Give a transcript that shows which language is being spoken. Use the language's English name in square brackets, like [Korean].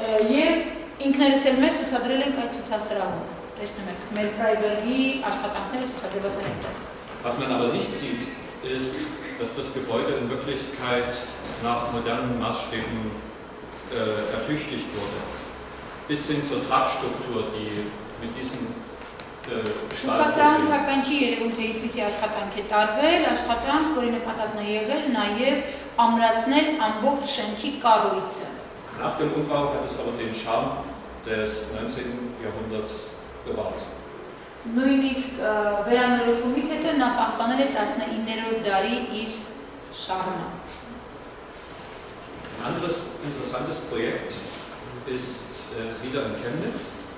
[Armenian] Եվ ինքներս էլ մեր ցուցադրել ենք այդ ցուցասրահում։ Տեսնում եք, մեր Ֆրայբերգի աշխատանքները ցուցադրված են այդտեղ։ [German] Was man aber nicht sieht, ist, dass das Gebäude in Wirklichkeit nach modernen Maßstäben ertüchtigt wurde. Bis hin zur Tragstruktur, die mit diesen Stahlbetonen. Nach dem Umbau hat es aber den Charme des 19. Jahrhunderts bewahrt. [Armenian] Նույնիսկ վերանորոգումից հետո նա պահպանել է 19-րդ դարի իր շարունը։ [German] Ein anderes interessantes Projekt ist wieder in Chemnitz.